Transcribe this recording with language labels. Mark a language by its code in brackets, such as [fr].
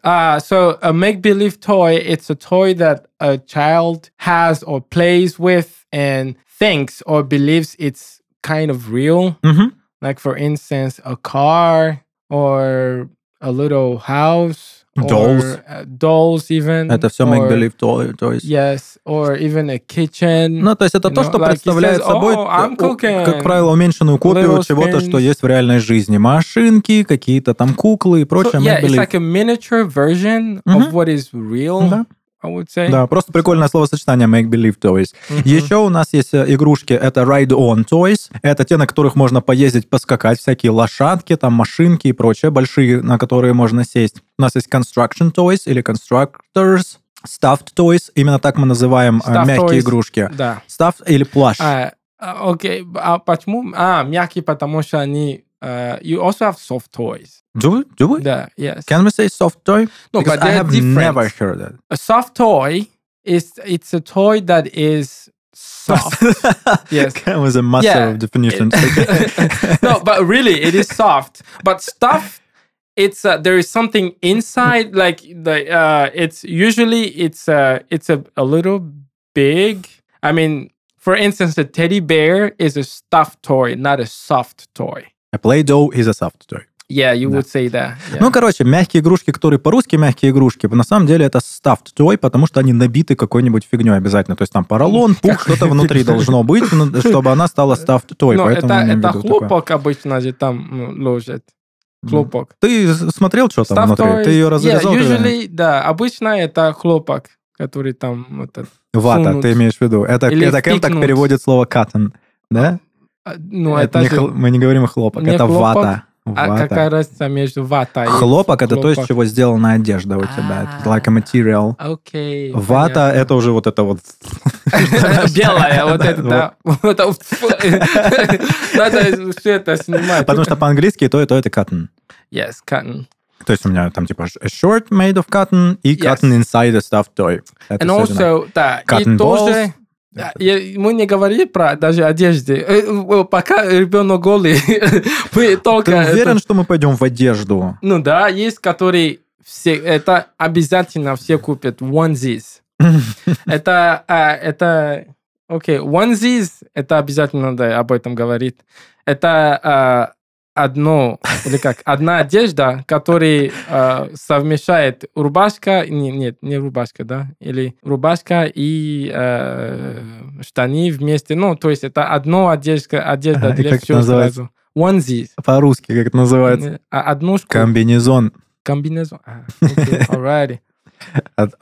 [en] So a make-believe toy, it's a toy that a child has or plays with and thinks or believes it's kind of real. Mm-hmm. Like, for instance, a car or a little house. Dolls. Dolls even. [ru] Это все make-believe toys. [en] Yes, or even a kitchen. [ru] Ну, то есть это то, что представляет собой, как правило, уменьшенную копию чего-то, что есть в реальной жизни. Машинки, какие-то там куклы и прочее. [en] Yeah, it's like a miniature version of what is real. I would say. [ru] Да, просто прикольное словосочетание make-believe toys. Mm-hmm. Еще у нас есть игрушки, это ride-on toys. Это те, на которых можно поездить, поскакать. Всякие лошадки, там машинки и прочее большие, на которые можно сесть. У нас есть construction toys или constructors. [en] Stuffed toys. [ru] Именно так мы называем мягкие [en] toys. [ru] Игрушки. Да. [en] Stuffed или plush. [ru] Окей, а почему? А, мягкие, потому что они... [en] you also have soft toys. Do we? Yeah, yes. Can we say soft toy? No, because but I have different. Never heard that. A soft toy is it's a toy that is soft. Yes. That was a muscle definition. No, but really, it is soft. But stuffed, it's there is something inside, like the it's usually it's a little big. I mean, for instance, a teddy bear is a stuffed toy, not a soft toy. A Play-Doh is a soft toy. Yeah, you would say that. Yeah. [ru] Ну, короче, мягкие игрушки, которые по-русски мягкие игрушки, на самом деле это stuffed toy, потому что они набиты какой-нибудь фигней обязательно. То есть там поролон, пух, что-то внутри должно быть, чтобы она стала stuffed toy. Но это хлопок обычно же там ложат. Хлопок. Ты смотрел, что там внутри? Ты ее разрезал? [en] Yeah, usually, [ru] да, обычно это хлопок, который там... Вата, ты имеешь в виду. Это кем так переводит слово cotton, да? Ну, это не мы не говорим хлопок, не это хлопок, вата. А какая разница между ватой и хлопок? Хлопок — это то, из чего сделана одежда у тебя. [en] Like a material. [ru] Окей. Вата — это уже вот это вот... Белая, вот это, да. Надо все это снимать. Потому что по-английски то это cotton. [en] Yes, cotton. [ru] То есть у меня там типа [en] a short made of cotton и cotton inside a stuffed toy. And also, [ru] да, и тоже... Мы не говорили про даже одежды. Пока ребенок голый, мы только... Ты уверен, что мы пойдем в одежду? Ну да, есть, которые все... Это обязательно все купят. Onesies. Это... Окей, onesies, это обязательно надо об этом говорить. Это одно... Или как? Одна одежда, которая совмещает рубашка... Нет, не рубашка, да? Или рубашка и штаны вместе. Ну, то есть это одно одежда для всего сразу. Onesies. По-русски как это называется? Однушку. Комбинезон. Комбинезон. [en] Окей, okay, alright.